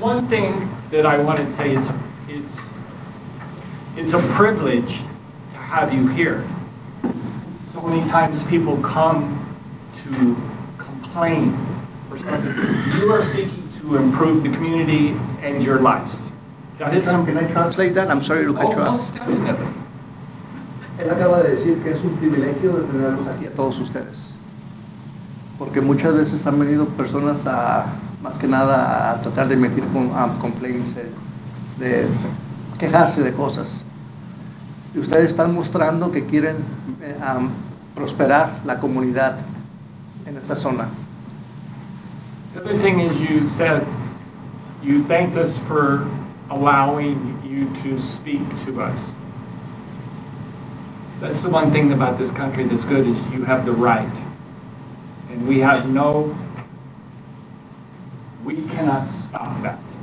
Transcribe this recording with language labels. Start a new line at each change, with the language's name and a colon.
English: One thing that I want to say is, it's a privilege to have you here. So many times people come to complain for something. You are seeking to improve the community and your lives. Can I translate that? I'm sorry, Lucas. Oh,
Spanish: él acaba de decir que es un privilegio de tenerlos aquí a todos ustedes, porque muchas veces han venido personas a más que nada a tratar de emitir complaints. De quejarse de cosas. Y ustedes están mostrando que quieren prosperar la comunidad en esta zona.
English: The other thing is, you said you thanked us for allowing you to speak to us. That's the one thing about this country that's good, is you have the right. And we cannot stop that.